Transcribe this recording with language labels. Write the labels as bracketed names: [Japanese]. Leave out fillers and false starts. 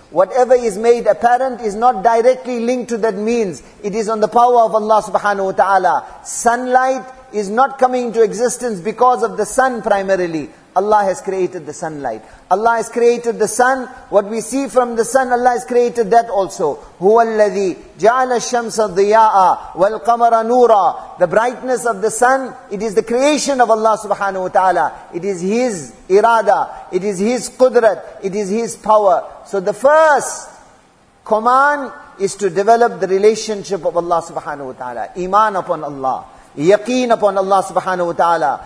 [English] Whatever is made apparent is not directly linked to that means. It is on the power of Allah subhanahu wa ta'ala. Sunlight is not coming into existence because of the sun primarily. Allah has created the sunlight. Allah has created the sun. What we see from the sun, Allah has created that also. [Arabic] هو الذي جعل الشمس ضياء والقمر نورا. [English] The brightness of the sun, it is the creation of Allah subhanahu wa ta'ala. It is His irada. It is His qudrat. It is His power. So the first command is to develop the relationship of Allah subhanahu wa ta'ala. Iman upon Allah. Yaqeen upon Allah subhanahu wa ta'ala.